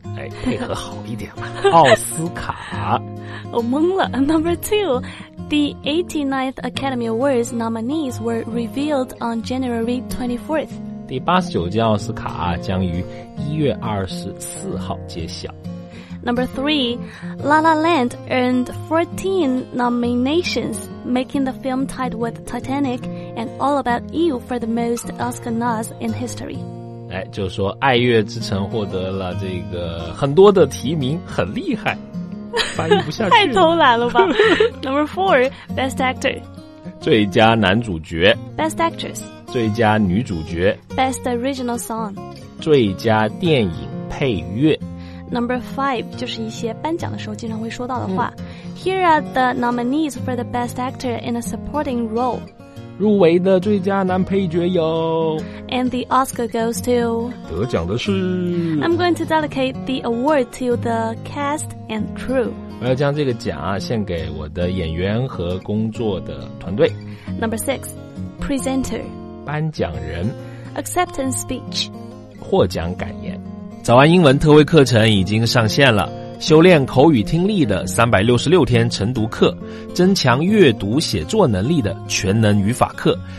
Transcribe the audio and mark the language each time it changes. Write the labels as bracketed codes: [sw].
[zh] 哎，配合好一点吧，奥斯卡。我懵了 [en] ,Number two,The 89th Academy Awards nominees were revealed on January 24th. [zh] 第89届奥斯卡、啊、将于1月24号揭晓。 [en] Number 3, La La Land earned 14 nominations, making the film tied with Titanic and All About You for the most Oscar nods in history. [zh] 哎，就说《爱乐之城》获得了这个很多的提名，很厉害。翻译不下去太偷懒了吧 [en] Number 4 Best Actor [zh] 最佳男主角 [en] Best Actress [zh] 最佳女主角 [en] Best Original Song [zh] 最佳电影配乐 [en] Number 5 [zh] 就是一些颁奖的时候经常会说到的话、 [en] Here are the nominees for the Best Actor in a Supporting Role [zh] 入围的最佳男配角有 [en] And the Oscar goes to [zh] 得奖的是 [en] I'm going to dedicate the award to the cast and crew [zh] 我要将这个奖、啊、献给我的演员和工作的团队 [en] Number 6 Presenter [zh] 颁奖人 [en] Acceptance speech [zh] 获奖感言早安英文特惠课程已经上线了修炼口语听力的366天晨读课增强阅读写作能力的全能语法课